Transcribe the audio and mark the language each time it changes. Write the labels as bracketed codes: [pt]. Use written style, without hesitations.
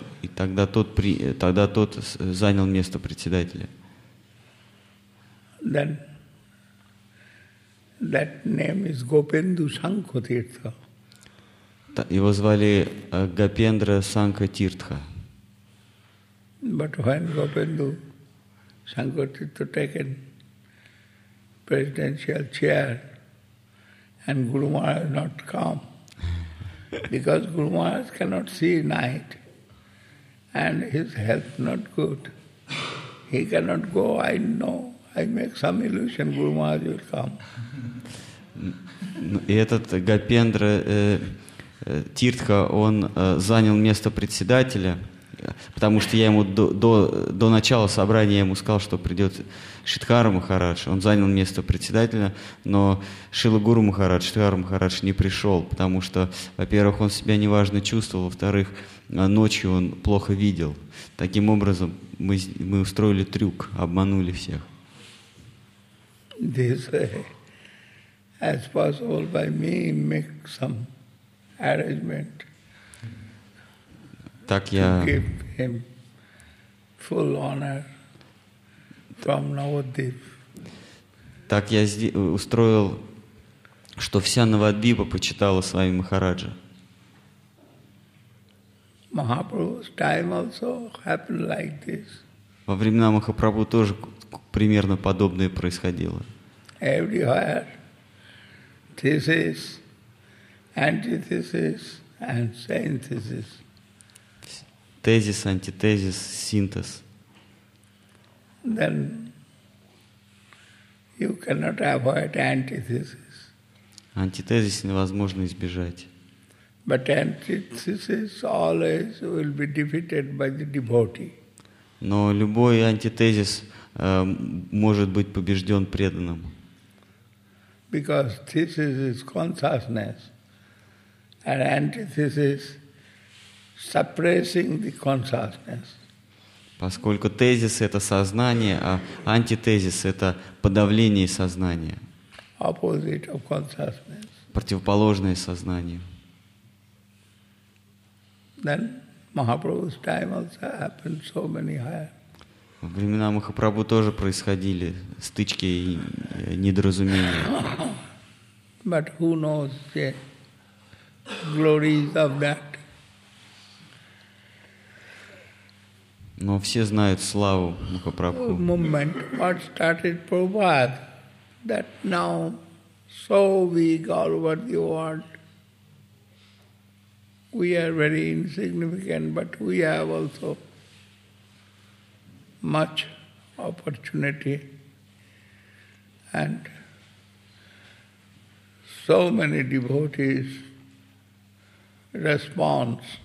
[ru] И тогда тот занял место председателя. [en] Then that name is Gopendu Sankha Tirtha. [ru] Его звали Гопендра Санка Тиртха. [en] But when Gopendu Sankha Tirtha taken presidential chair and Guru Maharaj not come, because Guru Maharaj cannot see night and his health not good, he cannot go, I know. I make some illusion, Guru Maharaj will come. [ru] И этот Гопендра Тиртха, он занял место председателя, потому что я ему до начала собрания я ему сказал, что придет Шридхара Махарадж. Он занял место председателя, но Шрила Гуру Махарадж, Шридхара Махарадж не пришел, потому что, во-первых, он себя неважно чувствовал, во-вторых, ночью он плохо видел. Таким образом, мы устроили трюк, обманули всех. [en] This as possible by me make some arrangement [ru] так я [en] to give him full honor from Navadvip. [ru] Так я устроил, что вся Навадвипа почитала Свами Махараджа. [en] Mahaprabhu's time also happened like this. [ru] Во времена Махапрабху тоже примерно подобное происходило. [en] Everywhere, thesis, antithesis, and synthesis. Thesis, antithesis, synthesis. Then you cannot avoid antithesis. [ru] Антитезис невозможно избежать. [en] But antithesis always will be defeated by the devotee. [ru] Но любой антитезис может быть побежден преданным. [en] Because thesis is consciousness, and antithesis suppressing the consciousness. [ru] Поскольку тезис это сознание, а антитезис это подавление сознания. [en] Opposite of consciousness. [ru] Противоположное сознанию. [en] Then Mahaprabhu's time also happened so many higher. [ru] Во времена Махапрабху тоже происходили стычки и недоразумения. [en] But who knows the glories of that? [ru] Но все знают славу Махапрабху. [en] Moment what started Prabhupada, that now so big all over the world. We are very insignificant, but we have also much opportunity and so many devotees response.